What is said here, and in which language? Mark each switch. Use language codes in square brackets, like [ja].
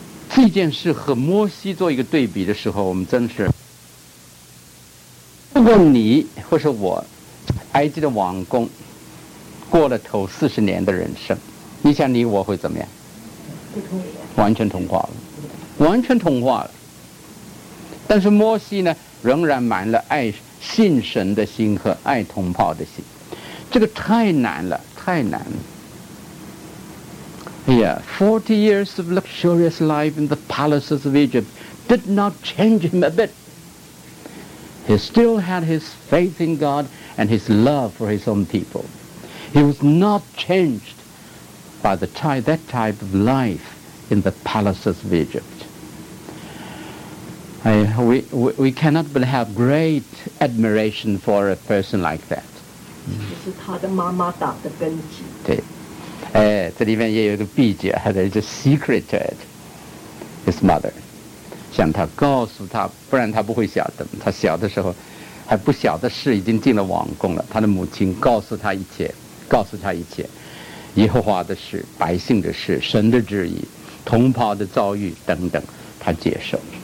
[zh] 这件事和摩西做一个对比的时候，我们真是，不管你或是我，埃及的王宫过了头40年的人生，你想你我会怎么样？完全同化了，完全同化了。但是摩西呢，仍然满了爱信神的心和爱同胞的心，这个太难了，太难了。哎呀 [en] ，40 years of luxurious life in the palaces of Egypt did not change him a bit. He still had his faith in God and his love for his own people. He was not changed by that type of life in the palaces of Egypt. We cannot but have great admiration for a person like that. [zh] 这是他的妈妈打的根基。对，哎，这里面也有一个秘诀，还有一个 [en] secret to it. His mother [zh] 想他告诉他，不然他不会晓得。他小的时候还不晓得事，已经进了王宫了。他的母亲告诉他一切，告诉他一切，耶和华的事、百姓的事、神的旨意、同袍的遭遇等等，他接受。